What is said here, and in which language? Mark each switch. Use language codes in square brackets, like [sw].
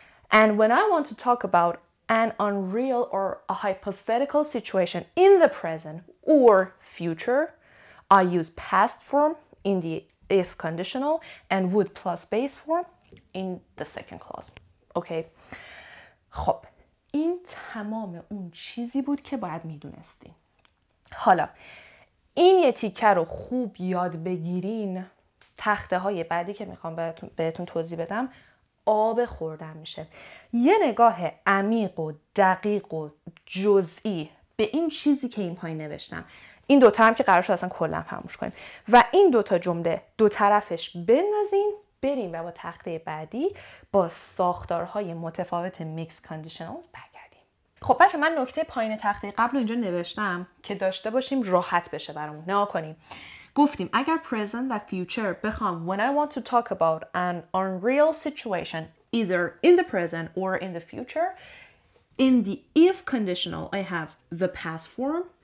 [en] And when I want to talk about an unreal or a hypothetical situation in the present or future, I use past form in the if conditional and would plus base form in the second clause. Okay. [fa] خب این تمام اون چیزی بود که باید میدونستین. حالا این یه تیکه رو خوب یاد بگیرین، تخته های بعدی که میخوام بهتون توضیح بدم آب خوردن میشه. یه نگاه عمیق و دقیق و جزئی به این چیزی که این پایین نوشتم، این دوتا هم که قرار شد اصلا کلن فراموش کنیم، و این دوتا جمله دو طرفش بندازین بریم و با تخته بعدی با ساختارهای متفاوت میکس کاندیشنالز برگردیم. خب بچه من نکته پایین تخته قبل اینجا نوشتم که داشته باشیم راحت بشه برامون. نها کنیم. گفتیم اگر present و future بخوام [en] when I want to talk about an unreal situation either in the present or in the future, in the if conditional I have the past form.